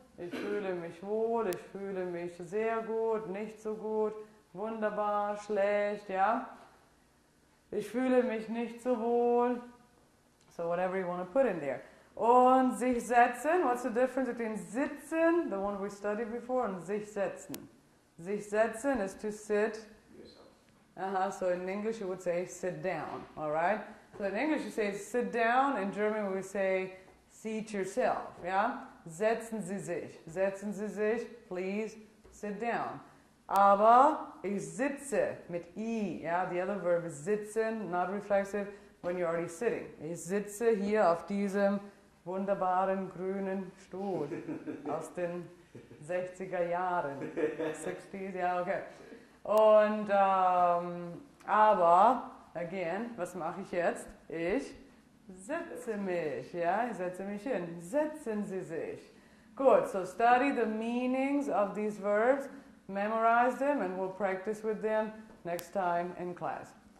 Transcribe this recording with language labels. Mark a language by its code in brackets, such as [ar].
[de] Ich fühle mich wohl, ich fühle mich sehr gut, nicht so gut, wunderbar, schlecht, ja. Ich fühle mich nicht so wohl. [en] So whatever you want to put in there. [de] Und sich setzen, [en] what's the difference between sitzen, the one we studied before, and sich setzen? Sich setzen is to sit. Uh-huh, so in English you would say sit down, all right? So in English you say sit down, in German we say seat yourself, ja. [de] Setzen Sie sich, [en] please sit down. [de] Aber ich sitze mit I, ja, [en] the other verb is sitzen, not reflexive, when you're already sitting. [de] Ich sitze hier auf diesem wunderbaren grünen Stuhl aus den 60er Jahren. 60s, ja, okay. Und, aber, again, was mache ich jetzt? Ich setze mich, ja, ich setze mich hin. Setzen Sie sich. [en] Good, so study the meanings of these verbs, memorize them, and we'll practice with them next time in class.